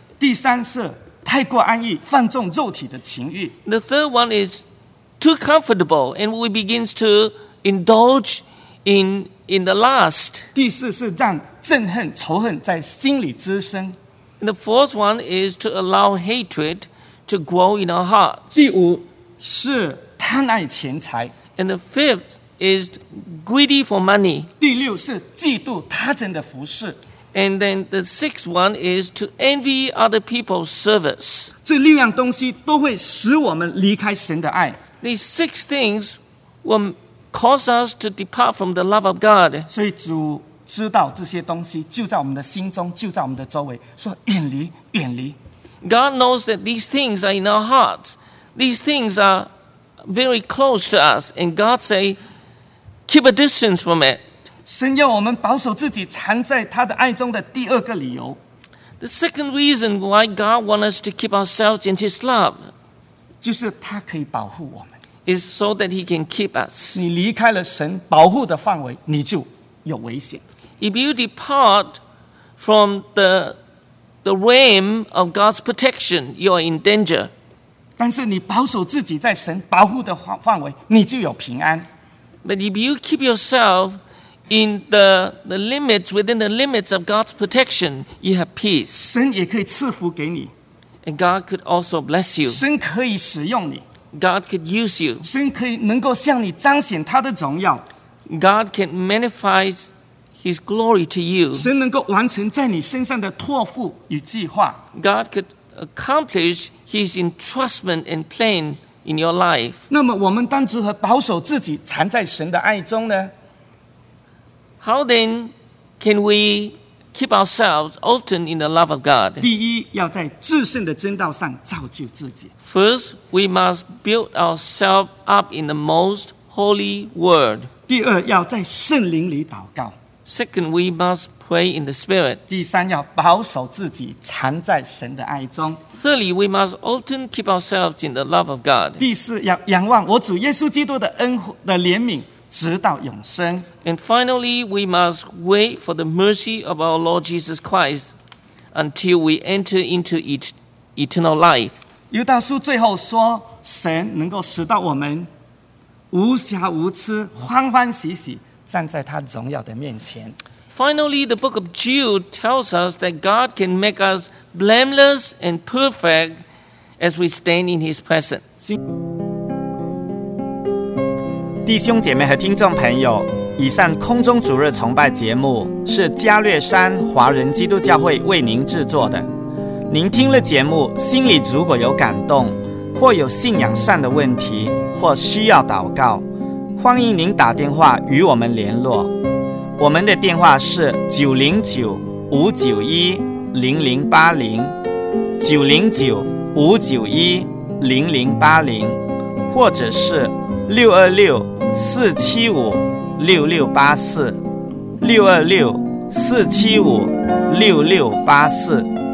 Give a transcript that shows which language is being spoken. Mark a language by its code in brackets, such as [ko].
[zh] 第三是太过安逸，放纵肉体的情欲。 [en] The third one is too comfortable, and we begin to indulge in. In the last, [zh] 第四是让憎恨、仇恨在心里滋生。 [en] And the fourth one is to allow hatred to grow in our hearts. [zh] 第五是贪爱钱财。 [en] And the fifth is greedy for money. [zh] 第六是嫉妒他人的服事。 [en] And then the sixth one is to envy other people's service. [zh] 这六样东西都会使我们离开神的爱。 [en] These six things will cause us to depart from the love of God. [zh] 所以主知道这些东西就在我们的心中，就在我们的周围，说远离，远离。 [en] God knows that these things are in our hearts. These things are very close to us. And God say, keep a distance from it. [zh] 神要我们保守自己藏在他的爱中的第二个理由。 [en] The second reason why God wants us to keep ourselves in his love. [zh] 就是他可以保护我们。 [en] Is so that he can keep us. [zh] 你离开了神保护的范围，你就有危险。 [en] If you depart from the realm of God's protection, you're in danger. [zh] 但是你保守自己在神保护的范围，你就有平安。 [en] But if you keep yourself in the limits within the limits of God's protection, you have peace. [zh] 神也可以赐福给你。 [en] And God could also bless you. [zh] 神可以使用你。 [en] God could use you. [zh] 神可以能够向你彰显他的荣耀。 [en] God can manifest His glory to you. [zh] 神能够完成在你身上的托付与计划。 [en] God could accomplish His entrustment and plan in your life. [zh] 那么我们当如何保守自己藏在神的爱中呢？ [en] How then can we keep ourselves often in the love of God? [zh] 第一，要在至圣的真道上造就自己。 [en] First, we must build ourselves up in the most holy word. [zh] 第二，要在圣灵里祷告。 [en] Second, we must pray in the Spirit. [zh] 第三，要保守自己藏在神的爱中。 [en] Thirdly, we must often keep ourselves in the love of God. [zh] 第四，要仰望我主耶稣基督的恩的怜悯，直到永生。 [en] And finally, we must wait for the mercy of our Lord Jesus Christ until we enter into eternal life. [zh] 犹大书最后说，神能够使到我们无瑕无疵，欢欢喜喜。站在他荣耀的面前。 [en] Finally, the book of Jude tells us that God can make us blameless and perfect as we stand in His presence. [zh] 弟兄姐妹和听众朋友，以上空中主日崇拜节目是嘉略山华人基督教会为您制作的。您听了节目，心里如果有感动，或有信仰上的问题，或需要祷告，欢迎您打电话与我们联络，我们的电话是909-591-0080，909-591-0080，或者是626-475-6684，626-475-6684。